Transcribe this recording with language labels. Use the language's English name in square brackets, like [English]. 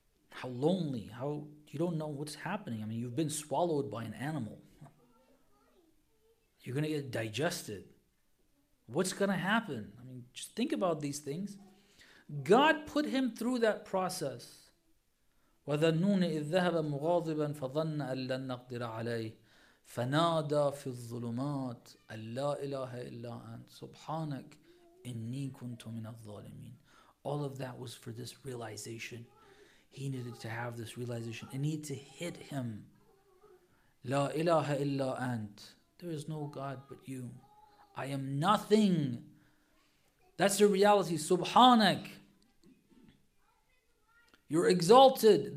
[English] How lonely, how you don't know what's happening. I mean, you've been swallowed by an animal. You're going to get digested. What's going to happen? I mean, just think about these things. God put him through that process. [Arabic] وَذَنُّونَ إِذْ ذَهَبَ مُغَاضِبًا فَظَنَّ أَلَّا نَقْدِرَ عَلَيْهِ فَنَادَى فِي الظُّلُمَاتِ أَلَّا إِلَهَ إِلَّا أَنْتَ سُبْحَانَكَ إِنِّي كُنْتُ مِنَ الظَّالِمِينَ [English] All of that was for this realization. He needed to have this realization. It needed to hit him. [Arabic] La ilaha illa ant. [English] There is no God but you. I am nothing. That's the reality. Subhanak. You're exalted.